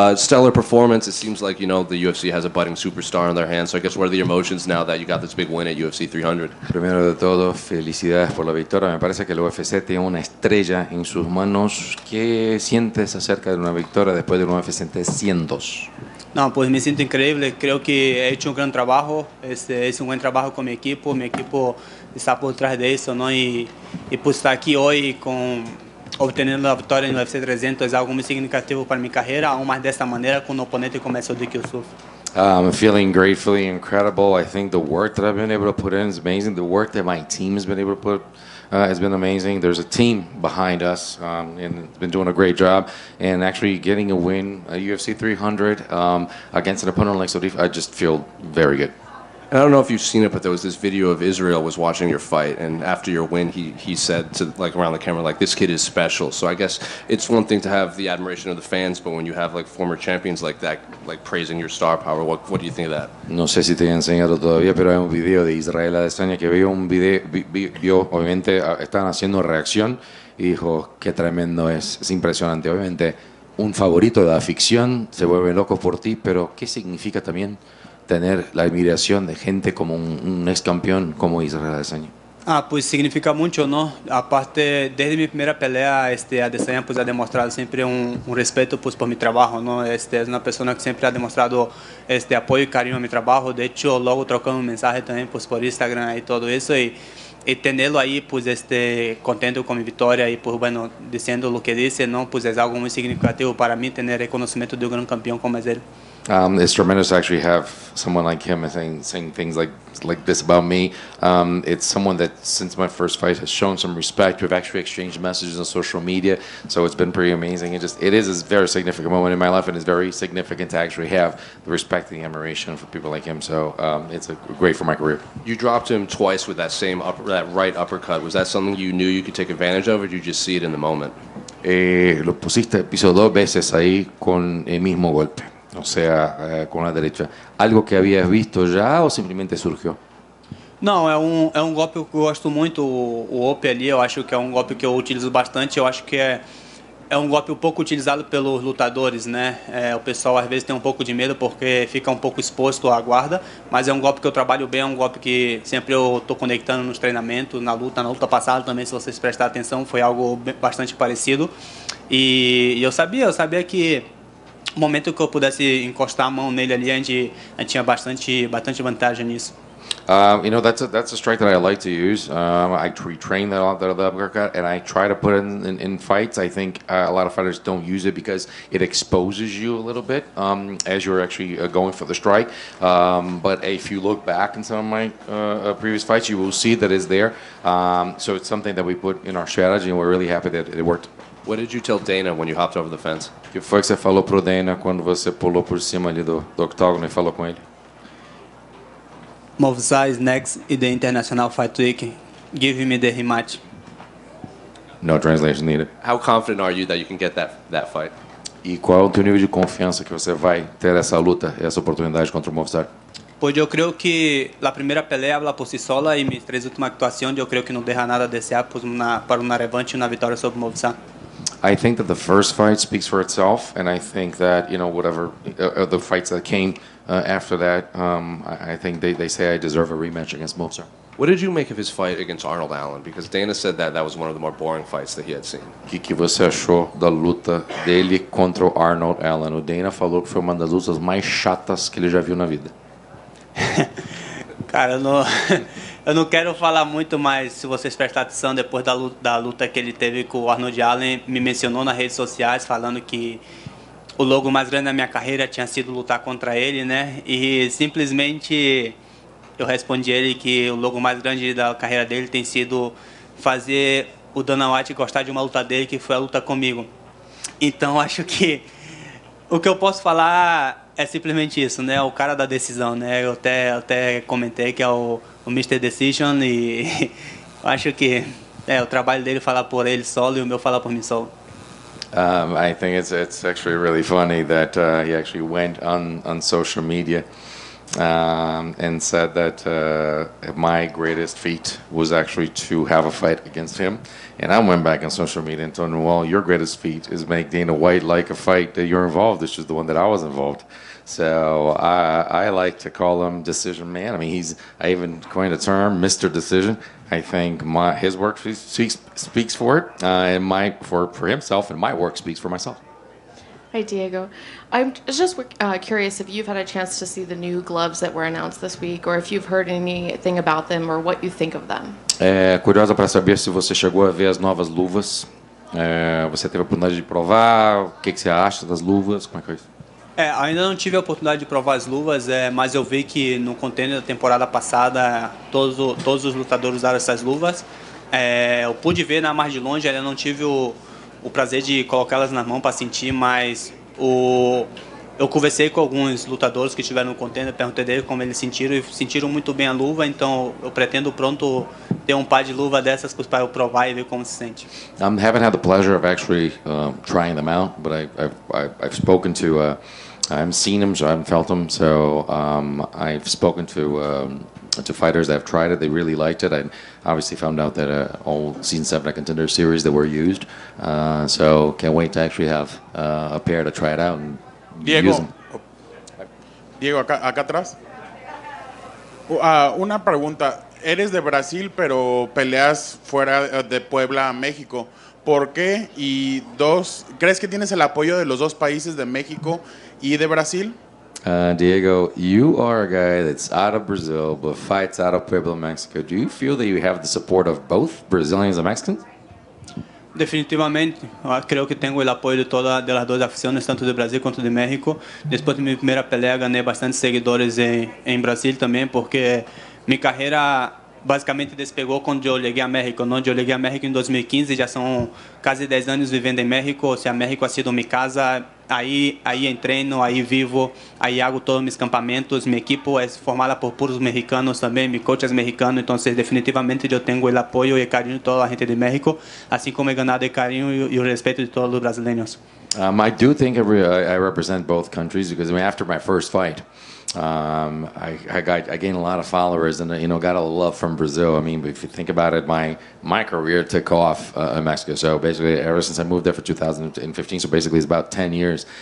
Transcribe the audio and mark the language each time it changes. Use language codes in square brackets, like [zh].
[en] Stellar performance. It seems like, you know, the UFC has a budding superstar on their hands. So I guess what are the emotions now that you got this big win at UFC 300? [es] Primero de todo, felicidades por la victoria. Me parece que el UFC tiene una estrella en sus manos. ¿Qué sientes acerca de una victoria después de un UFC 300? No, pues me siento increíble. Creo que he hecho un gran trabajo. Es un buen trabajo con mi equipo. Mi equipo está por detrás de eso, ¿no? Y pues estar aquí hoy con obteniendo la victoria en el UFC 300 es algo muy significativo para mi carrera, aún más de esta manera con un oponente como el de Kiyosuf. [en] I'm feeling gratefully incredible. I think the work that I've been able to put in is amazing. The work that my team has been able to put has been amazing. There's a team behind us and it's been doing a great job. And actually getting a win at UFC 300 against an opponent like Sodif, I just feel very good. And I don't know if you've seen it, but there was this video of Israel was watching your fight, and after your win, he said to, like, around the camera, like, this kid is special. So I guess it's one thing to have the admiration of the fans, but when you have, like, former champions like that, like, praising your star power, what do you think of that? [es] No sé si te he enseñado todavía, pero hay un video de Israel Adesanya que vio un video, vio obviamente, están haciendo reacción, y dijo, qué tremendo es impresionante. Obviamente, un favorito de la ficción se vuelve loco por ti, pero ¿qué significa también tener la admiración de gente como un ex campeón como Israel Adesanya? Ah, pues significa mucho, ¿no? Aparte, desde mi primera pelea, Adesanya pues ha demostrado siempre un respeto pues por mi trabajo, ¿no? Es una persona que siempre ha demostrado apoyo y cariño a mi trabajo. De hecho, luego trocando un mensaje también pues por Instagram y todo eso, y tenerlo ahí pues contento con mi victoria y pues bueno, diciendo lo que dice, ¿no? Pues es algo muy significativo para mí tener reconocimiento de un gran campeón como es él. [en] It's tremendous to actually have someone like him saying things like this about me. It's someone that, since my first fight, has shown some respect. We've actually exchanged messages on social media, so it's been pretty amazing. It is a very significant moment in my life, and it's very significant to actually have the respect and the admiration for people like him. So it's great for my career. You dropped him twice with that same that right uppercut. Was that something you knew you could take advantage of, or did you just see it in the moment? [es] Lo pusiste piso dos veces ahí con el mismo golpe. O sea, con la derecha. ¿Algo que habías visto ya o simplemente surgió? No, es un golpe que gosto mucho, el Ope allí. Yo acho que es un golpe que yo utilizo bastante. Yo acho que es un golpe un poco utilizado por los lutadores, ¿no? El pessoal a veces tiene un poco de miedo porque fica un poco expuesto a guarda. Pero es un golpe que yo trabajo bien, es un golpe que siempre yo estoy conectando en los entrenamientos, en la lucha pasada también, si ustedes prestaron atención, fue algo bastante parecido. Y yo sabía que [pt] o momento que eu pudesse encostar a mão nele ali, a gente tinha bastante vantagem nisso. [en] You know, that's a strike that I like to use. I retrain that a lot, the uppercut, and I try to put it in fights. I think a lot of fighters don't use it because it exposes you a little bit as you're actually going for the strike. But if you look back in some of my previous fights, you will see that it's there. So it's something that we put in our strategy, and we're really happy that it worked. What did you tell Dana when you hopped over the fence? [pt] Que foi que você falou pro Dana quando você pulou por cima ali do octógono e falou com ele? [en] Movesize next in the International Fight Week. Give me the rematch. No translation needed. How confident are you that you can get that fight? [pt] E qual é o teu nível de confiança que você vai ter essa luta, essa oportunidade contra o Movesize? [es] Pues yo creo que la primera pelea habla por sí sola y mis tres últimas actuaciones yo creo que no deja nada desear pues para una revancha y una victoria sobre Movesize. [en] I think that the first fight speaks for itself, and I think that, you know, whatever the fights that came after that, I think they say I deserve a rematch against Mozart. What did you make of his fight against Arnold Allen? Because Dana said that was one of the more boring fights that he had seen. [pt] O que você achou da luta dele contra o Arnold Allen? O Dana falou que foi uma das lutas mais chatas que ele já viu na vida. Cara, não. Eu não quero falar muito, mas se vocês prestar atenção, depois da luta que ele teve com o Arnold Allen, me mencionou nas redes sociais falando que o logo mais grande da minha carreira tinha sido lutar contra ele, né? E simplesmente eu respondi ele que o logo mais grande da carreira dele tem sido fazer o Dana White gostar de uma luta dele, que foi a luta comigo. Então, acho que o que eu posso falar é simplesmente isso, né? O cara da decisão, né? Eu até comentei que é o Mr. Decision, e acho que o trabalho dele falar por ele solo e o meu falar por mim solo. [en] I think it's actually really funny that he actually went on social media and said that my greatest feat was actually to have a fight against him. And I went back on social media and told him, well, your greatest feat is make Dana White like a fight that you're involved, which is the one that I was involved. So I like to call him Decision Man. I mean, I even coined a term, Mr. Decision. I think his work speaks for it, and for himself, and my work speaks for myself. Hi, Diego. I'm just curious if you've had a chance to see the new gloves that were announced this week, or if you've heard anything about them, or what you think of them. [pt] É curiosa para saber se você chegou a ver as novas luvas. Você teve a oportunidade de provar? O que você acha das luvas? Como é que é isso? É, ainda não tive a oportunidade de provar as luvas, mas eu vi que no contender da temporada passada todos os lutadores usaram essas luvas. Eu pude ver na mais de longe, ainda não tive o prazer de colocá-las na mão para sentir, mas eu conversei com alguns lutadores que estiveram no contender, perguntei deles como eles sentiram, e sentiram muito bem a luva, então eu pretendo pronto ter um par de luva dessas para eu provar e ver como se sente. [en] I haven't had the pleasure of actually trying them out, but I've spoken to, I've seen them, I've felt them, so I've spoken to fighters that have tried it. They really liked it. I obviously found out that all Season 7 Contender Series that were used, so can't wait to actually have a pair to try it out. And [es] Diego, Diego, acá atrás. Una pregunta. Eres de Brasil, pero peleas fuera de Puebla a México. ¿Por qué? Y dos, ¿crees que tienes el apoyo de los dos países, de México y de Brasil? [en] Diego, you are a guy that's out of Brazil, but fights out of Puebla, Mexico. Do you feel that you have the support of both Brazilians and Mexicans? [es] Definitivamente, creo que tengo el apoyo de todas de las dos aficiones, tanto de Brasil como de México. Después de mi primera pelea gané bastantes seguidores en Brasil también, porque mi carrera básicamente [pt] despegou quando eu cheguei a México. Quando eu cheguei a México em 2015, já são quase 10 anos vivendo em México. Se a México ha sido minha casa, aí em treino, aí vivo, aí hago todos meus campamentos. Minha equipe é formada por puros mexicanos também, meu coach é mexicano. Então, definitivamente, eu tenho o apoio e carinho de toda a gente de México, assim como eu ganhei o carinho e o respeito de todos os brasileiros. [en] I do think I represent both countries, because I mean, after my first fight, I gained a lot of followers and, you know, got a lot of love from Brazil. I mean, if you think about it, my career took off in Mexico. So basically, ever since I moved there for 2015, so basically it's about 10 years.